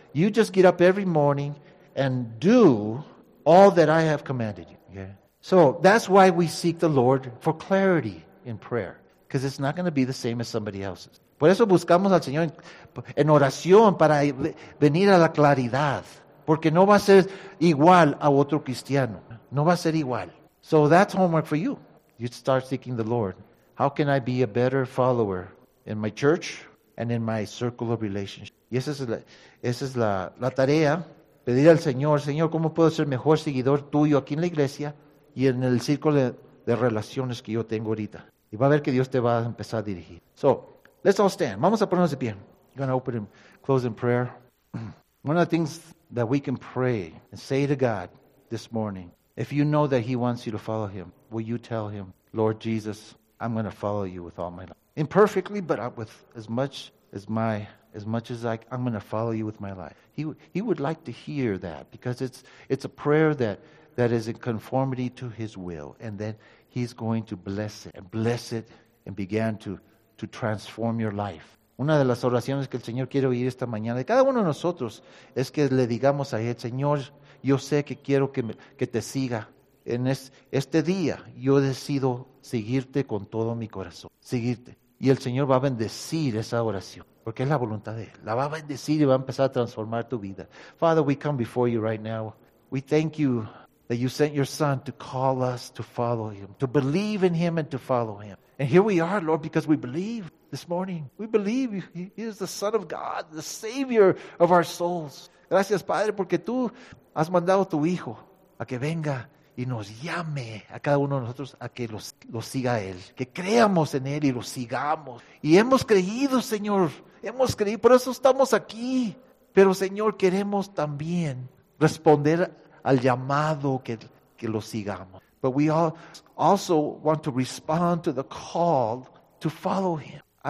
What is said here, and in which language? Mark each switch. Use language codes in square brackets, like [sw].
[en] You just get up every morning and do all that I have commanded you. Yeah. So that's why we seek the Lord for clarity in prayer. Because it's not going to be the same as somebody else's. [es] Por eso buscamos al Señor en oración para venir a la claridad. Porque no va a ser igual a otro cristiano. No va a ser igual. [en] So that's homework for you. You start seeking the Lord. How can I be a better follower in my church and in my circle of relationships? [es] Y esa es la tarea, pedir al Señor, Señor, ¿cómo puedo ser mejor seguidor tuyo aquí en la iglesia y en el círculo de relaciones que yo tengo ahorita? Y va a ver que Dios te va a empezar a dirigir. [en] So, let's all stand. [es] Vamos a ponernos de pie. [en] I'm going to open and close in prayer. One of the things that we can pray and say to God this morning, if you know that He wants you to follow Him, will you tell Him, Lord Jesus, I'm going to follow you with all my life. Imperfectly, but with as much as I, I'm going to follow you with my life. He would like to hear that because it's a prayer that is in conformity to His will. And then He's going to bless it and begin to transform your life. [es] Una de las oraciones que el Señor quiere oír esta mañana de cada uno de nosotros es que le digamos a Él, Señor, yo sé que quiero que te siga. En este día yo decido seguirte con todo mi corazón, seguirte. Y el Señor va a bendecir esa oración, porque es la voluntad de Él. La va a bendecir y va a empezar a transformar tu vida. [en] Father, we come before you right now. We thank you that you sent your Son to call us to follow Him, to believe in Him and to follow Him. And here we are, Lord, because we believe this morning. We believe He is the Son of God, the Savior of our souls. [es] Gracias, Padre, porque tú has mandado a tu Hijo a que venga y nos llame a cada uno de nosotros a que lo siga Él. Que creamos en Él y lo sigamos. Y hemos creído, Señor. Hemos creído. Por eso estamos aquí. Pero, Señor, queremos también responder al llamado que lo sigamos. [en] But we all also want to respond to the call to follow Him.